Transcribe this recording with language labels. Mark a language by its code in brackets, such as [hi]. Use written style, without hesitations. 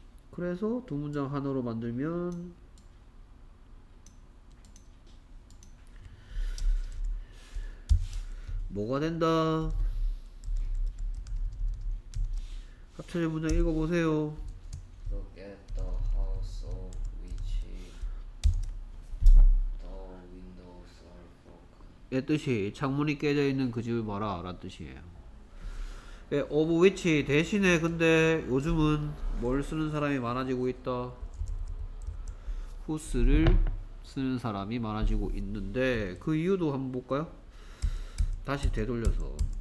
[ko] 그래서 두 문장 하나로 만들면 뭐가 된다? 합쳐진 문장 읽어보세요. [en] Look at the house of which the windows are broken. [ko] 얘 뜻이 창문이 깨져 있는 그 집을 봐라 라는 뜻이에요. of which 대신에 근데 요즘은 뭘 쓰는 사람이 많아지고 있다? whose를 쓰는 사람이 많아지고 있는데 그 이유도 한번 볼까요? 다시 되돌려서.